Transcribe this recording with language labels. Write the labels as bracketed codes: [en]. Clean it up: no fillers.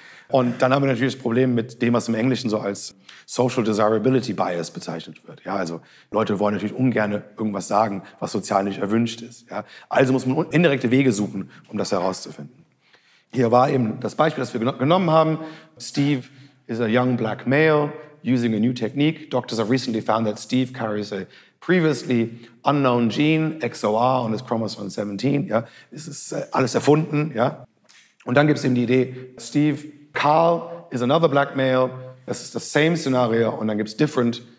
[de] Und dann haben wir natürlich das Problem mit dem, was im Englischen so als Social Desirability Bias bezeichnet wird. Ja, also Leute wollen natürlich ungern irgendwas sagen, was sozial nicht erwünscht ist. Ja, also muss man indirekte Wege suchen, um das herauszufinden. Hier war eben das Beispiel, das wir genommen haben. [en] Steve is a young black male using a new technique. Doctors have recently found that Steve carries a previously unknown gene, XOR, on his chromosome 17. [de] Ja, es ist alles erfunden. Ja, und dann gibt es eben die Idee, [en] Steve Carl is another black male. [de] Das ist das same Szenario. Und dann gibt es different.